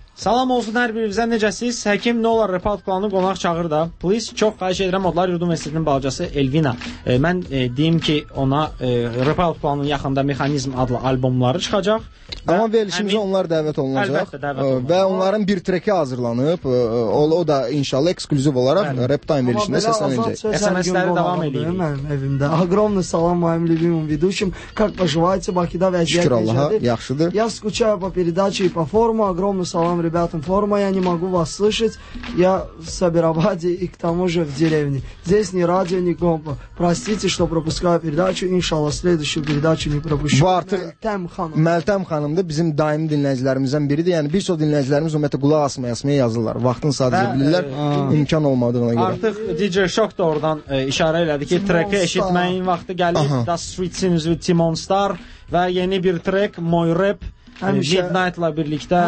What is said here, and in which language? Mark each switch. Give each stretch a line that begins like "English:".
Azerbaijani: Salam olsun hər birinizə. Necəsiz? Həkim nə olar? Repat klanı qonaq çağır da. Please, çox xahiş edirəm. Odlar yurdum əsrinin balacası Elvina. Mən deyim ki, ona Repat klanının yaxında Mexanizm adlı albomları çıxacaq. Amma verilişimizə onlar dəvət olunacaq. Əlbəttə dəvət olunacaq. Və onların bir treki hazırlanıb. O da inşallah eksklüziv olaraq Rap Time verilişində səslənəcək. SMS-ləri davam edəyik. Mənim evimdə.
Russian: Огромный салам моим любимым ведущим. Как поживаете?
Azerbaijani: Бакида вәзиет. Şükür Allah'a. Yaxşıdır.
Russian: Я скучаю по передаче и по форуму. Огромный салам ребятам форума. Я не могу вас слышать. Я в Сабирабаде и к тому же в деревне. Здесь ни радио, ни компа. Простите, что пропускаю передачу. Иншаллах, следующую передачу не пропущу.
Azerbaijani: Məltəm xanımdır. Bizim daimi dinləyicilərimizdən biridir. Yəni bir çox dinləyicilərimiz ümumiyyətlə qulaq asmaya yazırlar. Vaxtını sadəcə bilirlər. İmkan olmadığına görə. Artıq DJ Shock da oradan işarə elədi ki, trekə eşitməyin vaxtı gəlib. The Streets in with Timon Star və yeni bir trek My Rap Midnight-la birlikdə.